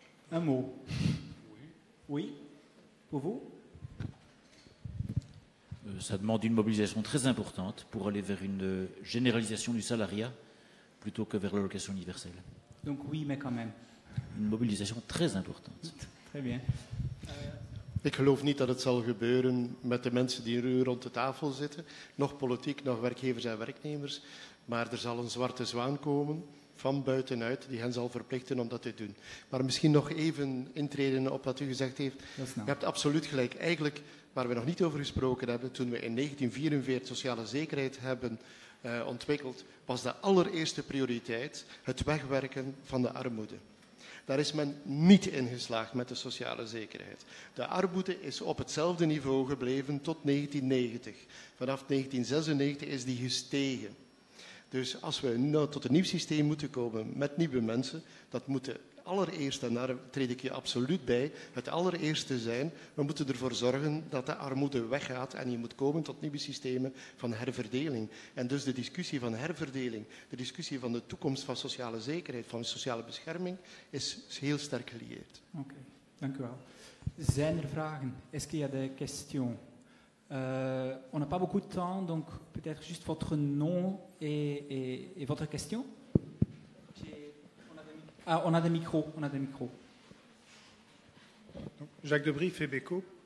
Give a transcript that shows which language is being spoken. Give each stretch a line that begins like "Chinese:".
French: Un mot? Oui. Pour vous? Ça demande une mobilisation très importante pour aller vers une généralisation du salariat plutôt que vers l'allocation universelle. Donc oui, mais quand même. Une mobilisation très importante. Très bien.
Dutch: Ik geloof niet dat het zal gebeuren met de mensen die nu rond de tafel zitten, nog politiek, nog werkgevers en werknemers. Maar er zal een zwarte zwaan komen van buitenuit die hen zal verplichten om dat te doen. Maar misschien nog even intreden op wat u gezegd heeft. Je hebt absoluut gelijk. Eigenlijk, waar we nog niet over gesproken hebben, toen we in 1944 sociale zekerheid hebben ontwikkeld, was de allereerste prioriteit het wegwerken van de armoede. Daar is men niet in geslaagd met de sociale zekerheid. De armoede is op hetzelfde niveau gebleven tot 1990. Vanaf 1996 is die gestegen. Dus als we nu tot een nieuw systeem moeten komen met nieuwe mensen, dat moet de allereerste, en daar treed ik je absoluut bij, het allereerste zijn, we moeten ervoor zorgen dat de armoede weggaat en je moet komen tot nieuwe systemen van herverdeling. En dus de discussie van herverdeling, de discussie van de toekomst van sociale zekerheid, van sociale bescherming, is heel sterk gelieerd. Oké, dank u wel. Zijn er vragen?
French: Est-ce qu'il y a des questions? On n'a pas beaucoup de temps, donc peut-être juste votre nom et votre question. On a des micros, on a des micros. Donc, Jacques Debris, Fébéco.